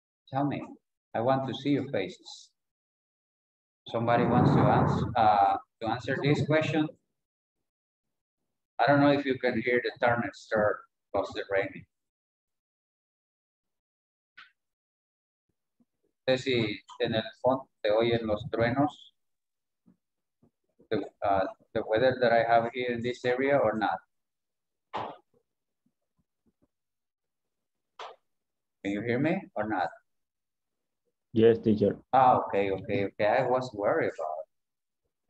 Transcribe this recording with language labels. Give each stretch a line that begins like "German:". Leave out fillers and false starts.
English: Tell me, I want to see your faces. Somebody wants to answer this question. I don't know if you can hear the thunder start across the rain.
Spanish: ¿Sé si en el fondo te oyen los truenos?
English: The weather that I have here in this area or not? Can you hear me or not? Yes, teacher. Okay. I was worried about it.